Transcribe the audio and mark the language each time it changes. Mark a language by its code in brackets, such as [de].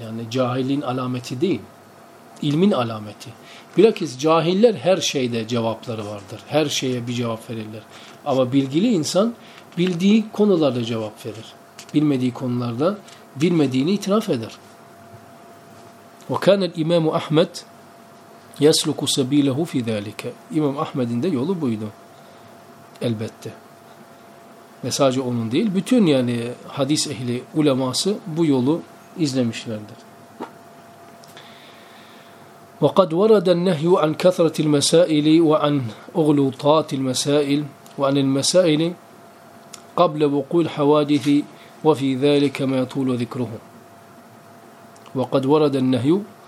[tr] Yani cahilin alameti değil. İlmin alameti. Bilakis cahiller her şeyde cevapları vardır. Her şeye bir cevap verirler. Ama bilgili insan bildiği konularda cevap verir. Bilmediği konularda bilmediğini itiraf eder. [ar] وَكَانَ الْاِمَامُ اَحْمَدْ يَسْلُكُ سَب۪يلَهُ فِي ذَٰلِكَ [tr] İmam Ahmed'in de yolu buydu. Elbette. Ve sadece onun değil, bütün yani hadis ehli uleması bu yolu izlemişlerdir. [ar] وَقَدْ وَرَدَ النَّهْيُ عَنْ كَثْرَةِ الْمَسَائِلِ وَعَنْ اُغْلُطَاتِ الْمَسَائِلِ وَعَنْ الْمَسَائِلِ قَبْلَ وُقُولِ حَوَادِثِ وَفِي ذَٰلِكَ مَا يَطُولُ ذِكْرُهُ وَقَدْ وَرَدَ النَّهْيُ